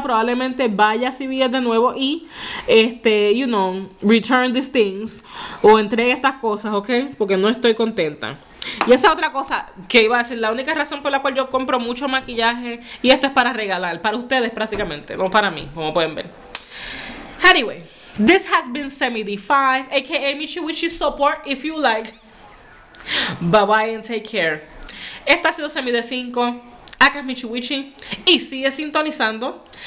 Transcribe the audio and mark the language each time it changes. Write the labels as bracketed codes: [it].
[es] Probablemente vaya a CVS de nuevo y, [en] you know, return these things [es] o entregue estas cosas, ¿ok? Porque no estoy contenta. Y esa otra cosa que iba a decir, la única razón por la cual yo compro mucho maquillaje, y esto es para regalar, para ustedes prácticamente, no para mí, como pueden ver. [en] Anyway, this has been Semi-D5, aka Michi Wichi Support, if you like. Bye bye and take care. [es] Esta ha sido Semi-D5, acá es Michi Wichi, y sigue sintonizando.